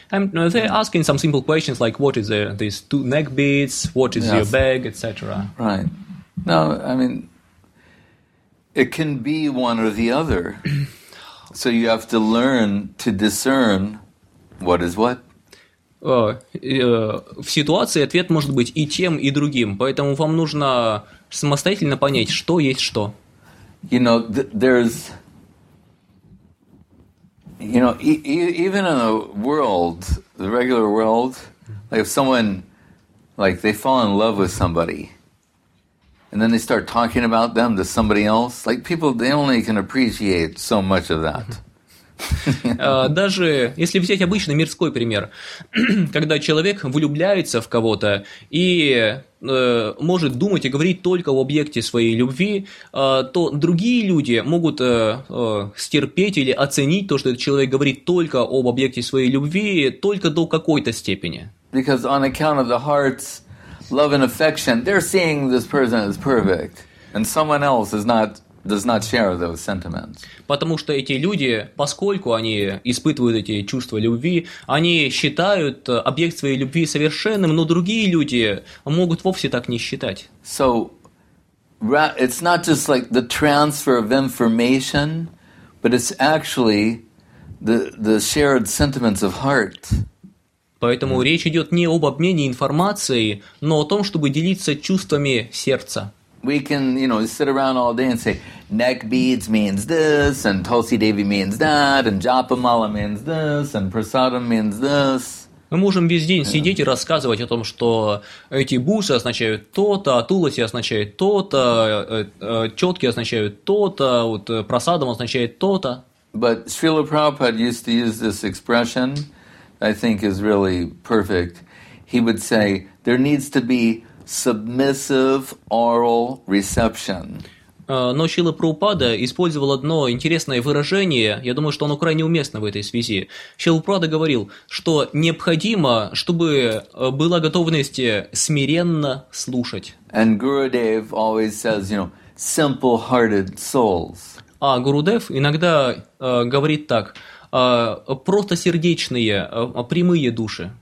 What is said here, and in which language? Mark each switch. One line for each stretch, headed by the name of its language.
English: And they're asking some simple questions like, what is these two neck beads? What is your bag, etc.? Right. No, I mean, it can be one or the other. So you have to learn to discern what is what.
Russian: В ситуации ответ может быть и тем, и другим. Поэтому вам нужно самостоятельно понять, что есть что.
English: You know, there's... You know, even in the world, the regular world, like if someone, like they fall in love with somebody, and then they start talking about them to somebody else, like people, they only can appreciate so much of that.
Russian: Даже если взять обычный мирской пример, когда человек влюбляется в кого-то и может думать и говорить только об объекте своей любви, то другие люди могут стерпеть или оценить то, что этот человек говорит только об объекте своей любви, только до какой-то степени.
English: Because on account of the heart's love and affection, they're seeing this person as perfect, and someone else is not. Does not share those sentiments.
Russian: Потому что эти люди, поскольку они испытывают эти чувства любви, они считают объект своей любви совершенным, но другие люди могут вовсе так не считать.
English: So, it's not just like the transfer of information, but it's actually the shared sentiments of heart.
Russian: Поэтому речь идет не об обмене информацией, но о том, чтобы делиться чувствами сердца.
English: We can, you know, sit around all day and say, neck beads means this, and Tulsi Devi means that, and Japa Mala means this, and Prasadam means this.
Russian: Мы можем весь день сидеть и рассказывать о том, что эти бусы означают то-то, тулоси означают то-то, четки означают то-то, вот Прасадам означает то-то.
English: But Srila Prabhupada used to use this expression, I think is really perfect. He would say, there needs to be submissive oral reception.
Russian: Но Шрила Прабхупада использовал одно интересное выражение, я думаю, что оно крайне уместно в этой связи. Шрила Прабхупада говорил, что необходимо, чтобы была готовность смиренно слушать.
English: And Gurudev always says, you know, simple-hearted souls.
Russian: А Гурудев иногда говорит так: простосердечные, прямые души.